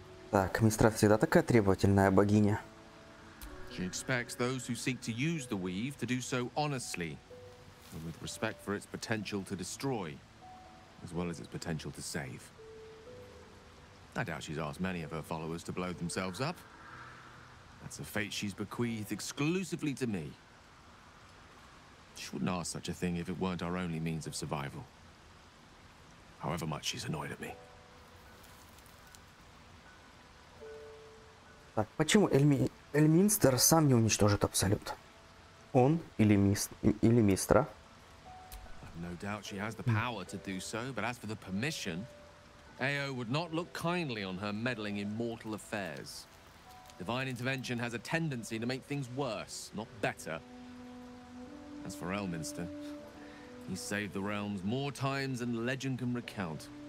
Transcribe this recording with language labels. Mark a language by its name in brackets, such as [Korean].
[Russian] Так, мистра всегда такая требовательная богиня. [English] She expects those who seek to use the weave to do so honestly, and with respect for its potential to destroy, as well as its potential to save. I doubt she's asked many of her followers to blow themselves up. That's a fate she's bequeathed exclusively to me. She wouldn't ask such a thing if it weren't our only means of survival. However much she's annoyed at me. [Russian] Так, почему Эльминстер сам не уничтожит Абсолют? Он или мистра? [English] No doubt she has the power to do so, but as for the permission, Ao would not look kindly on her meddling in mortal affairs. Divine intervention has a tendency to make things worse, not better. As for Эльминстер, he saved the realms more times than legend can recount.